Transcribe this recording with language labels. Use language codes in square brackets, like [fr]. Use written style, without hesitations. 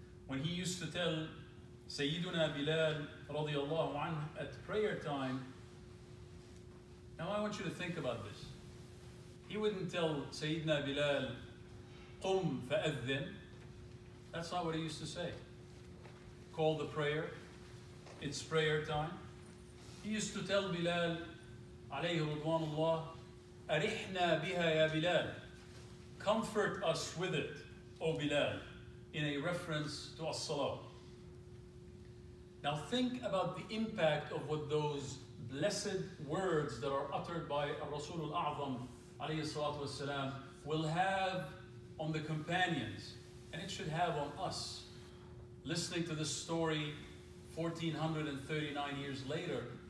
[en] When he used to tell Sayyiduna Bilal radiallahu anhu at prayer time, now I want you to think about this. He wouldn't tell Sayyidina Bilal, [ar] قُمْ فَأَذِّنْ. [en] That's not what he used to say. Call the prayer, it's prayer time. He used to tell Bilal, عليه رضوان الله, [ar] أَرِحْنَا بِهَا يَا بِلَال. [en] Comfort us with it, O Bilal, in a reference to As-Salaam. Now think about the impact of what those blessed words that are uttered by Rasul al-A'zam alayhi salatu wasalam will have on the companions, and it should have on us listening to this story 1439 years later.